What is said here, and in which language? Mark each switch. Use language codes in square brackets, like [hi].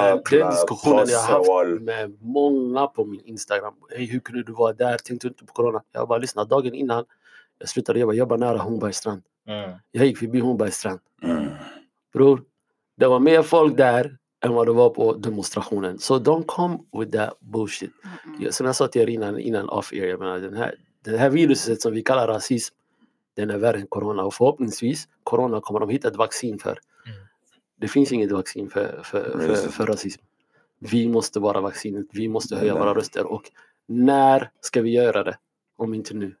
[sv] Den diskussionen jag har haft med många på min Instagram. Hey, hur kunde du vara där? Tänkte du inte på corona? Jag bara lyssnade dagen innan. Jag slutade jobba nära Hornbergstrand. Jag gick förbi Hornbergstrand. Bror, det var mer folk där än vad det var på demonstrationen. [en] So don't come with that bullshit. [sv] Som jag sa till er innan off-air, jag menar det här viruset som vi kallar rasism, den är värre än corona. Och förhoppningsvis, corona kommer de hitta ett vaccin för. Det finns inget vaccin för rasism. Vi måste vara vaccinet. Vi måste höja våra röster. Och när ska vi göra det? Om inte nu.